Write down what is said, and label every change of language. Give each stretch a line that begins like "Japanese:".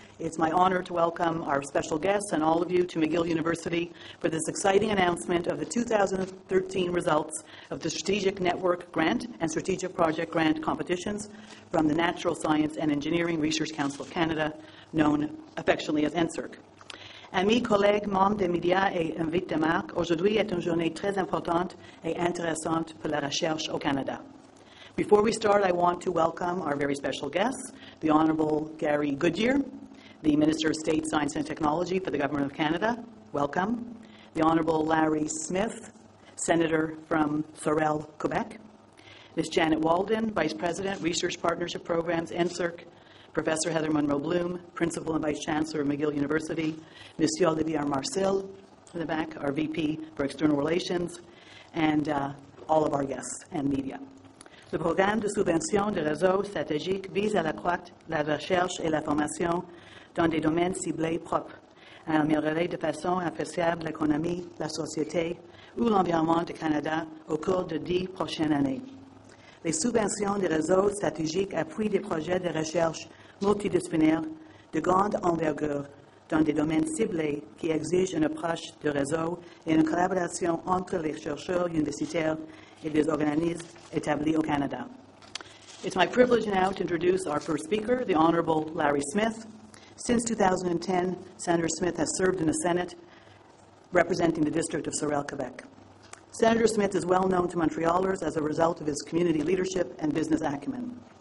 English: It's my honor to welcome our special guests and all of you to McGill University for this exciting announcement of the 2013 results of the Strategic Network Grant and Strategic Project Grant competitions from the Natural Science and Engineering Research Council of Canada, known affectionately as NSERC.
French: Amis, collègues, membres des médias et invités de marque, aujourd'hui est une journée très importante et intéressante pour la recherche au Canada.
English: Before we start, I want to welcome our very special guests, the Honorable Gary Goodyear, the Minister of State Science and Technology for the Government of Canada. Welcome. The Honorable Larry Smith, Senator from Sorel, Quebec. Ms. Janet Walden, Vice President, Research Partnership Programs, NSERC. Professor Heather Monroe-Bloom, Principal and Vice Chancellor of McGill University, Monsieur Olivier Marcel, in the back, our VP for External Relations, and all of our guests and media.
French: Le programme de subvention de réseau stratégique vise à accroître la recherche et la formation dans des domaines ciblés propres, à améliorer de façon appréciable l'économie, la société ou l'environnement du Canada au cours de 10 prochaines années. Les subventions des réseaux stratégiques appuient des projets de recherche multidisciplinaires de grande envergure dans des domaines ciblés qui exigent une approche de réseau et une collaboration entre les chercheurs universitaires et les organismes établis au Canada.
English: It's my privilege now to introduce our first speaker, the Honorable Larry Smith. Since 2010, Senator Smith has served in the Senate representing the District of Sorel, Quebec. Senator Smith is well known to Montrealers as a result of his community leadership and business acumen.